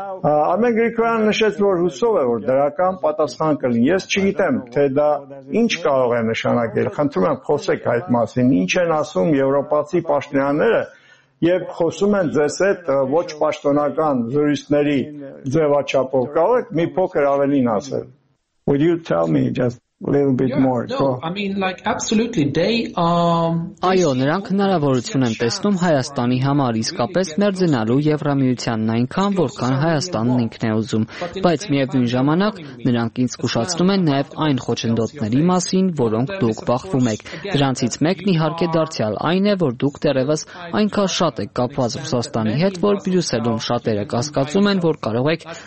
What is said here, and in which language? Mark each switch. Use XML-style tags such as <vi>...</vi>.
<hy>Արմեն Գրիգորյանը նշեց, որ հուսով է, որ դրական պատասխան կլինի։ Ես չգիտեմ, թե դա ինչ կարող է նշանակել։ Խնդրում եմ, խոսեք այդ մասին, ինչ են ասում եվրոպացի պաշտոնյաները։ Եվ խոսում են ձեզ հետ ոչ պաշտոնական զրույցների ձևաչափով, կարող եք մի փոքր ավելին ասել։</hy> <en>Would you tell me just a little bit more? No, I mean like absolutely they</en> <hy>Այո, նրանք հնարավորություն են տեսնում Հայաստանի համար իսկապես մերձնալու Եվրամիությանն այնքան, որքան Հայաստանն ինքն է ուզում, բայց միևնույն ժամանակ նրանք ինձ զգուշացնում են նաև այն խոչընդոտների մասին, որոնք դուք բախվում եք։ Դրանցից մեկն իհարկե դարձյալ այն է, որ դուք դեռևս այնքան շատ եք կապված Ռուսաստանի հետ, որ Բրյուսելում շատերը կասկածում են, որ կարող եք</hy>